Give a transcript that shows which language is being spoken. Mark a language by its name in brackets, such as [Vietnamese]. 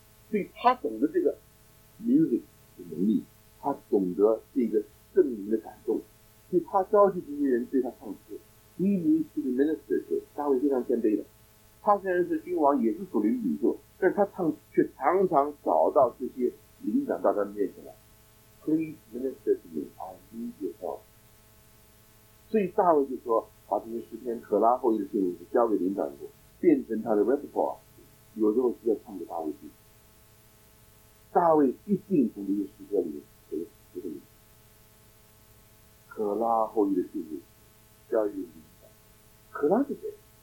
[Chinese] 所以他懂得这个 music 的能力，他懂得这个圣灵的感动，所以他召集这些人对他唱诗。 [English] He needs to be minister to。 [Chinese] 大卫非常谦卑的，他虽然是君王，也是属灵领袖，但是他唱却常常找到这些灵长到他的面前来。 [English] Please minister to me. I need your help。 [Chinese] 所以大卫就说，把这些诗篇可拉后裔的训诲诗交给灵长过，变成他的 reservoir， 有时候需要唱给大卫听。大卫一定从这些诗歌里面得这个灵。可拉后裔的训诲诗交给灵长。可拉是谁？